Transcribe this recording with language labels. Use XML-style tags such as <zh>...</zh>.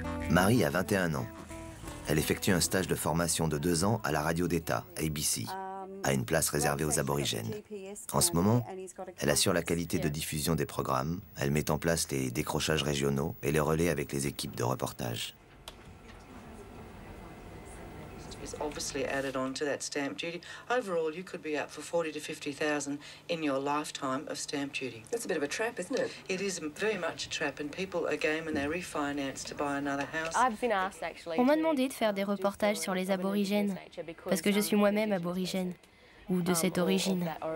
<fr>Marie a 21 ans. Elle effectue un stage de formation de 2 ans à la radio d'État, ABC, à une place réservée aux aborigènes. En ce moment, elle assure la qualité de diffusion des programmes, elle met en place les décrochages régionaux et les relais avec les équipes de reportage.</fr> <en>Obviously added on to that stamp duty. Overall, you could be up for 40,000 to 50,000 in your lifetime of stamp duty. That's a bit of a trap, isn't it? It is very much a trap, and people are game and they refinance to buy another house. I've been asked actually.</en> <fr>On m'a demandé de faire des reportages sur les aborigènes parce que je suis moi-même aborigène ou de cette origine.</fr>